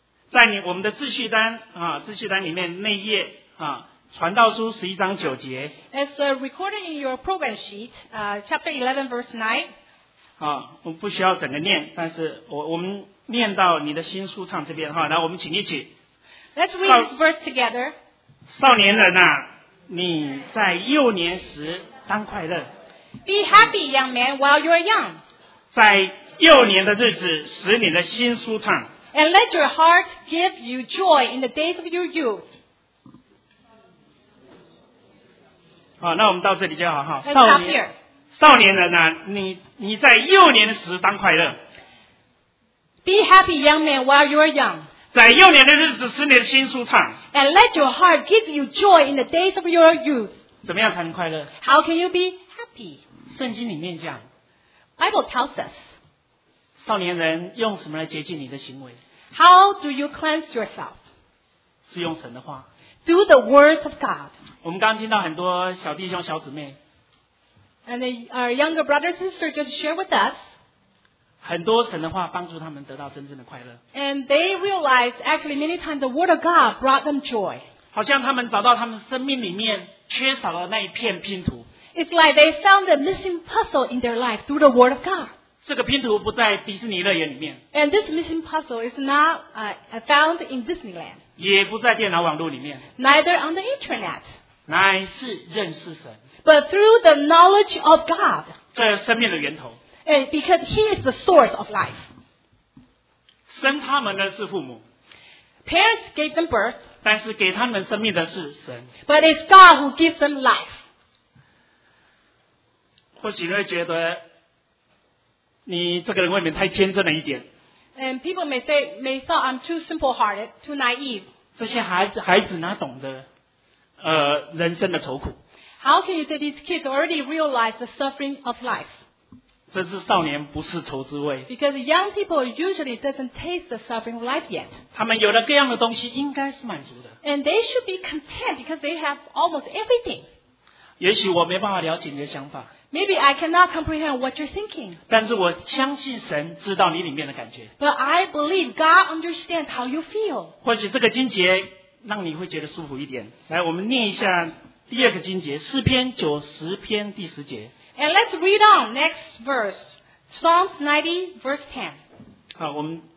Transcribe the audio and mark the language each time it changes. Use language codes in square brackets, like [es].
[zh] 在你我们的秩序单啊，秩序单里面那一页啊。传道书十一章九节。 [en] As recorded in your program sheet, chapter 11, verse 9. [zh] 好，我们不需要整个念，但是我们念到你的新书唱这边哈，来，我们请一起。 [en] Let's read this verse together. [zh] 少年人啊，你在幼年时当快乐。 [en] Be happy, young man, while you're young. [zh] 在幼年的日子使你的心舒畅。 [en] And let your heart give you joy in the days of your youth. [zh] 好，那我们到这里就好哈。少年人啊，你在幼年时当快乐。 [en] Be happy, young man, while you are young. [zh] 在幼年的日子使你的心舒畅。 [en] And let your heart give you joy in the days of your youth. [zh] 怎么样才能快乐 [en] ？How can you be happy? [zh] 圣经里面讲 [en] ，Bible tells us. [zh] 少年人用什么来洁净你的行为 [en] ？How do you cleanse yourself? [zh] 是用神的话。 [en] Do the words of God. [zh] 我们刚听到很多小弟兄小姊妹 [en] And our younger brothers and sisters just share with us. [zh] 很多神的话帮助他们得到真正的快乐 [en] And they realized actually many times the word of God brought them joy. [zh] 好像他们找到他们生命里面缺少了那一片拼图 [en] It's like they found the missing puzzle in their life through the word of God. [zh] 这个拼图不在迪士尼乐园里面 [en] And this missing puzzle is not found in Disneyland. [zh] 也不在电脑网络里面 [en] Neither on the internet [zh] 乃是认识神 [en] But through the knowledge of God [zh] 这生命的源头。 [en] Because he is the source of life. [zh] 生他们的是父母。 [en] Parents gave them birth. [zh] 但是给他们生命的是神。 [en] But it's God who gives them life. [zh] 或许你会觉得你这个人未免太天真了一点。 [en] And people may say, may thought I'm too simple-hearted, too naive. [zh] 这些孩子哪懂得人生的愁苦。 [en] How can you say these kids already realize the suffering of life? [zh] 这是少年不是愁滋味。 [en] Because young people usually doesn't taste the suffering of life yet. [zh] 他们有了各样的东西应该是满足的。 [en] And they should be content because they have almost everything. [zh] 也许我没办法了解你的想法。 [en] Maybe I cannot comprehend what you're thinking. [zh] 但是我相信神知道你里面的感觉。 [en] But I believe God understands how you feel. [zh] 或许这个经节让你会觉得舒服一点。来，我们念一下。第二个经节，诗篇90篇第10节。 [en] And let's read on next verse, Psalms 90, verse 10.